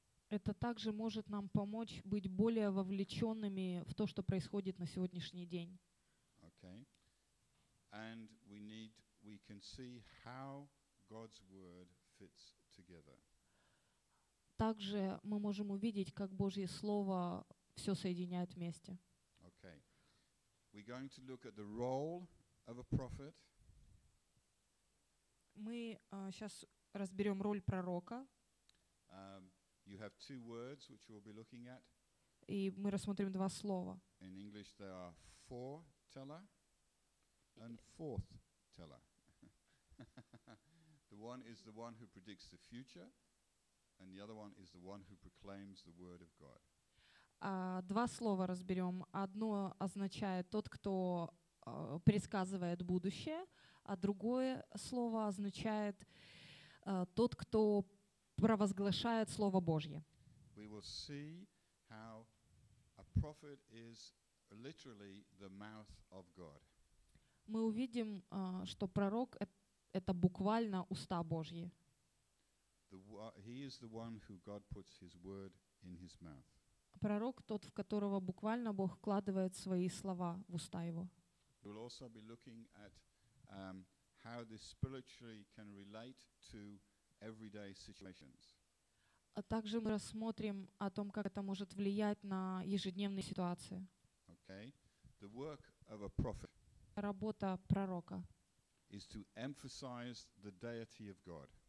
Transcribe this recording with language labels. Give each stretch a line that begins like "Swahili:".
Russian: Это также может нам помочь быть более вовлеченными в то, что происходит на сегодняшний день.
English: Okay. And we can see how God's word fits together.
Russian: Также мы можем увидеть, как Божье слово все соединяет вместе.
English: Okay. We're going to look at the role of a prophet.
Russian: Мы сейчас разберем роль пророка.
English: You have two words which we'll be looking at.
Russian: И мы рассмотрим два слова.
English: In English they are foreteller and forthteller. The one is the one who predicts the future, and the other one is the one who proclaims the word of God.
Russian: Два слова разберем. Одно означает тот, кто предсказывает будущее, а другое слово означает тот, кто провозглашает Слово Божье.
English: We will see how a prophet is literally the mouth of God.
Russian: Мы увидим, что пророк это буквально уста Божьи.
English: He is the one who God puts his word in his mouth.
Russian: Пророк тот, в которого буквально Бог вкладывает свои слова в уста его.
English: We will also be looking at how this spiritually can relate to everyday situations.
Russian: А также мы рассмотрим о том, как это может влиять на ежедневные ситуации.
English: Okay. The work of a prophet
Russian: работа пророка
English: is to emphasize the deity of God.